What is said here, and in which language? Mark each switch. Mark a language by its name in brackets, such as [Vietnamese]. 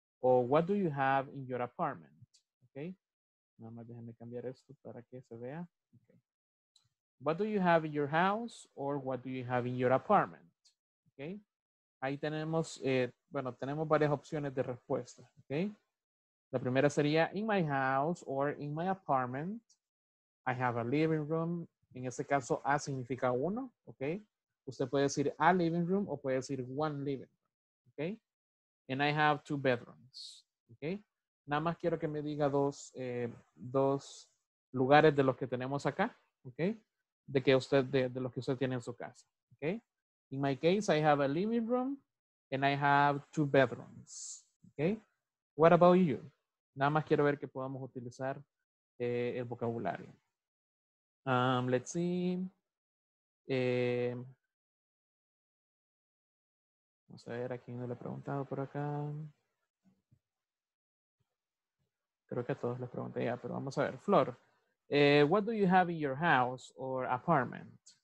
[English] O what do you have in your apartment? [Spanish] Okay, nada más déjenme cambiar esto para que se vea. [English] Okay. What do you have in your house? Or what do you have in your apartment? [Spanish] Okay, ahí tenemos, bueno, tenemos varias opciones de respuesta, okay? La primera sería [English] in my house or in my apartment. I have a living room. [Spanish] En este caso, A significa uno, ¿ok? Usted puede decir a living room o puede decir one living room, ¿ok? [English] And I have two bedrooms, [Spanish] ¿ok? Nada más quiero que me diga dos lugares de los que tenemos acá, ¿ok? De que usted, de los que usted tiene en su casa, ¿ok? [English] In my case, I have a living room and I have two bedrooms, ¿ok? What about you? [Spanish] Nada más quiero ver que podamos utilizar el vocabulario. [English] Let's see. [Spanish] Vamos a ver a quién le he preguntado por acá. Creo que a todos les pregunté ya, pero vamos a ver. [English] Flor, what do you have in your house or apartment?